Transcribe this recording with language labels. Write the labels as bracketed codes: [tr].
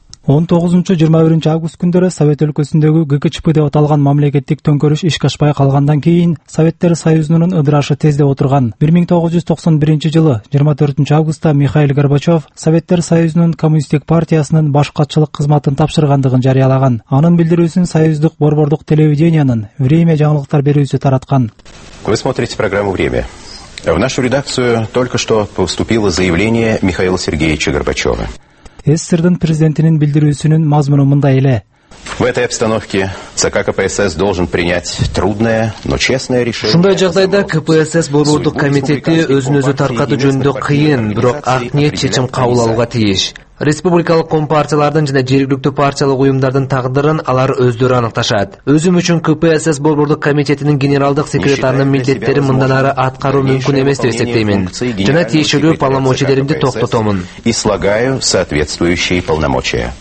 [ky] 19-21 август күндөрү Совет өлкөсүндөгү ГКЧП деп аталган мамлекеттик төңкөрүш иш качпай калгандан кийин Советтер Союзунун ыдырашы тездеп отурган. 1991 жылы 24 августта Михаил Горбачев Советтер Союзунун Коммунисттик партиясынын баш катчылык кызматын тапшыргандыгын жарыялаган. Анын билдирүүсүн Союздук борбордук телевидениянын Время жаңылыктар берүүсү тараткан. [ru] Вы смотрите программу Время. В нашу редакцию только что поступило заявление Михаила Сергеевича Горбачева. [ky] СССР-дин президентинин билдирүүсүнүн мазмуну мындай эле. [ru] В этой обстановке ЦК КПСС должен принять трудное, но честное решение. [ky] Ушундай жагдайда КПСС борбордук комитети өзүн өзү таркатуу жөнүндө кыйын, бирок ак ниет чечим кабыл алууга тийиш. Республикалык компартиялардын жана жергиликтүү партиялык уюмдардын тагдырын алар өздөрү аныкташат. Өзүм үчүн КПСС борбордук комитетинин генералдык секретарынын милдеттерин мындан ары аткаруу мүмкүн эмес деп эсептеймин жана тиешелүү полномочилеримди токтотомун. [ru] И слагаю соответствующие полномочия.